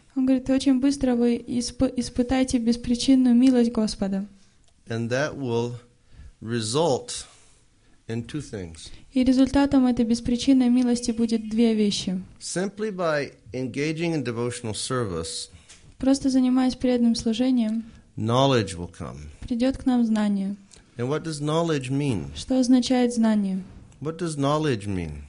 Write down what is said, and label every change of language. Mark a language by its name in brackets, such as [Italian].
[Russian] Он говорит, очень быстро вы испытаете беспричинную милость Господа. [English] And that will result in two things. [Russian] И результатом этой беспричинной милости будет две вещи. [English] Simply by engaging in devotional service, [Russian] просто занимаясь преданным служением, [English] knowledge will come. [Russian] Придет к нам знание. [English] And what does knowledge mean? [Russian] Что означает знание? [English] What does knowledge mean?